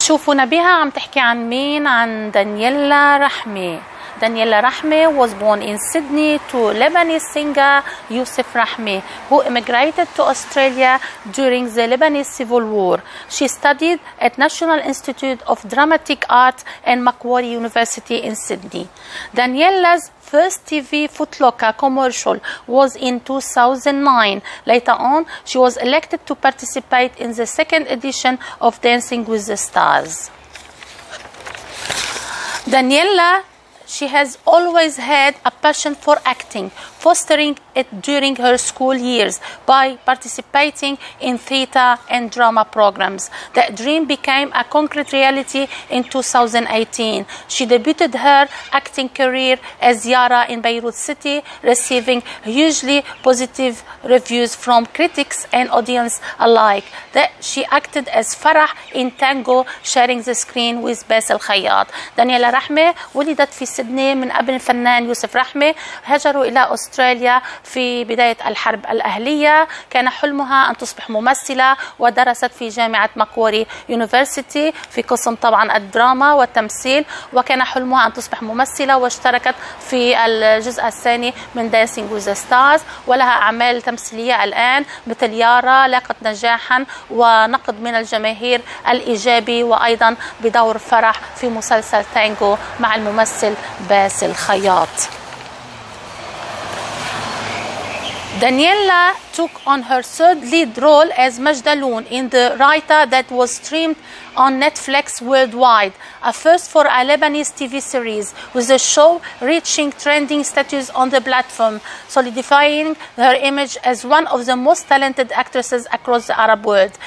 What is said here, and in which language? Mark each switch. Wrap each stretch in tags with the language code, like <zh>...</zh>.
<ar>شوفونا بها عم تحكي عن مين؟ عن دانييلا رحمي.</ar> <en>Daniella Rahmi was born in Sydney to Lebanese singer Yusuf Rahmi, who immigrated to Australia during the Lebanese Civil War. She studied at National Institute of Dramatic Art and Macquarie University in Sydney. Dannyella's first TV Footlocker commercial was in 2009. Later on, she was elected to participate in the second edition of Dancing with the Stars. Dannyella, she has always had a passion for acting, fostering it during her school years by participating in theater and drama programs. That dream became a concrete reality in 2018. She debuted her acting career as Yara in Beirut City, receiving hugely positive reviews from critics and audience alike. That she acted as Farah in Tango, sharing the screen with Basil Khayat.</en> <ar>Dannyella Rahmi ولدت في سيدني من ابن الفنان يوسف رحمي. هاجروا الى استراليا في بداية الحرب الأهلية. كان حلمها أن تصبح ممثلة ودرست في جامعة ماكواري يونيفرسيتي في قسم طبعا الدراما والتمثيل. وكان حلمها أن تصبح ممثلة واشتركت في الجزء الثاني من دانسينج وذ ستارز، ولها أعمال تمثيلية الآن مثل يارا لاقت نجاحا ونقد من الجماهير الإيجابي، وأيضا بدور فرح في مسلسل تانجو مع الممثل باسل خياط.</ar> <en>Dannyella took on her third lead role as Majdaloon in The Writer that was streamed on Netflix worldwide, a first for a Lebanese TV series, with the show reaching trending status on the platform, solidifying her image as one of the most talented actresses across the Arab world.</en>